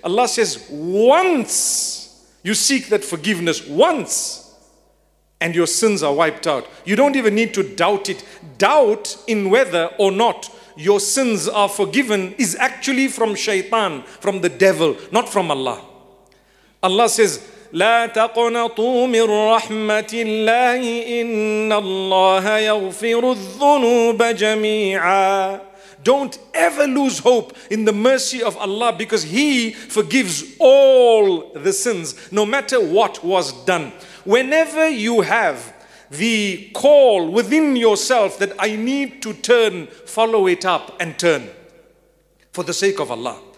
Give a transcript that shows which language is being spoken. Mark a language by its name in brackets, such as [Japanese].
[English] Allah says, once you seek that forgiveness, once, and your sins are wiped out. You don't even need to doubt it. Doubt in whether or not your sins are forgiven is actually from shaitan, from the devil, not from Allah. Allah says, [Arabic] لَا تَقْنَطُوا مِن رَحْمَةِ اللَّهِ إِنَّ اللَّهَ يَغْفِرُ الذُّنُوبَ جَمِيعًا. [English] Don't ever lose hope in the mercy of Allah, because He forgives all the sins, no matter what was done. Whenever you have the call within yourself that I need to turn, follow it up and turn for the sake of Allah.